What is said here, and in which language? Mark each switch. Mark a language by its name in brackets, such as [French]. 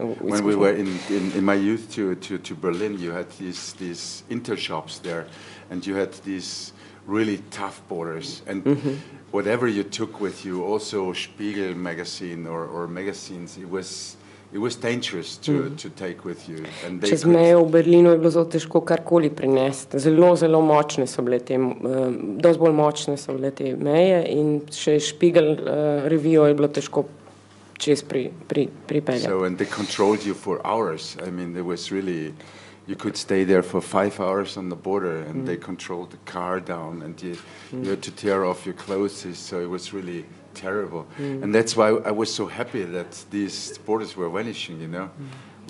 [English] When we were in my youth to Berlin, you had these intershops there, and you had these really tough borders, and whatever you took with you, also Spiegel magazine or magazines, it was dangerous to take with you. And they [Slovenian] čez mejo v Berlinu je bilo zelo težko karkoli prinesti. Zelo, zelo močne so bile te, dosti bolj močne so bile te meje in še Spiegel revijo je bilo težko čez pripeljati. [English] So, and they controlled you for hours. I mean, it was really... You could stay there for 5 hours on the border and they controlled the car down and you had to tear off your clothes, so it was really terrible. Mm. And that's why I was so happy that these borders were vanishing, you know. Mm.